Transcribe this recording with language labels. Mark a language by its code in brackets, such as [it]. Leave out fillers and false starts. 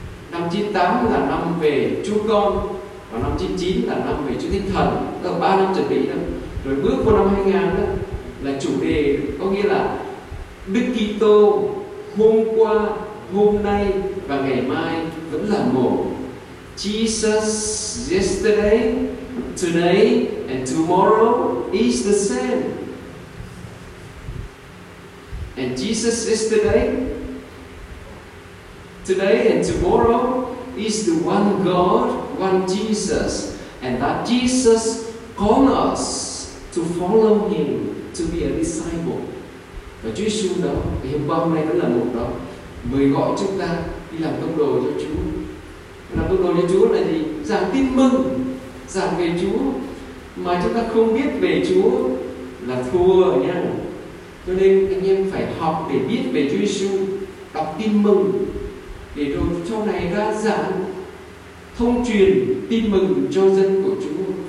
[vi] Năm 98 là năm về Chúa Con. Và năm 99 là năm về Chúa Thánh Thần. Đó là 3 năm chuẩn bị lắm. Rồi bước vào năm 2000 đó là chủ đề, có nghĩa là Đức Kitô hôm qua, hôm nay và ngày mai vẫn là một. [en] Jesus yesterday, today and tomorrow is the same. And Jesus yesterday, today and tomorrow is the one God, one Jesus, and that Jesus called us to follow Him, to be a disciple. [vi] Và Chúa Giêsu đó, ngày hôm qua hôm nay cũng là một đó, mời gọi chúng ta đi làm công đồ cho Chúa. Làm công đồ cho Chúa là gì? Giảng tin mừng, giảng về Chúa mà chúng ta không biết về Chúa là thua nha. Cho nên anh em phải học để biết về Chúa Giêsu, đọc tin mừng để rồi sau này ra giảng, thông truyền tin mừng cho dân của Chúa.